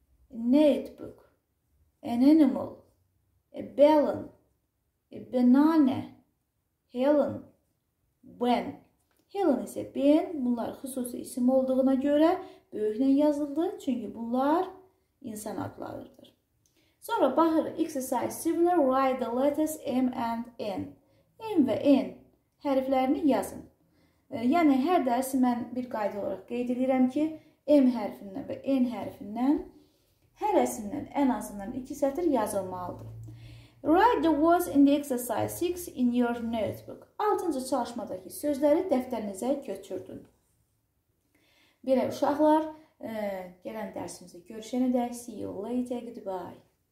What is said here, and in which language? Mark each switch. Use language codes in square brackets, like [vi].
[en] A notebook. An animal. A balloon. A banana. Helen. When. [az] Helen ise ben. Bunlar xüsusi isim olduğuna görə böyüklə yazıldı. Çünki bunlar insan adlarıdır. Sonra baxırıq. [en] Exercise 7. Write the letters M and N. [az] M və N hərflərini yazın. Yəni, hər dərsi mən bir qayda olaraq qeyd edirəm ki, M hərfindən və N hərfindən hər əsindən ən azından iki sətir yazılmalıdır. [en] Write the words in the exercise 6 in your notebook. [az] 6-cı çalışmadakı sözləri dəftərinizə götürdün. Belə uşaqlar, gələn dərsimizdə görüşənə dək. [en] See you later. Goodbye.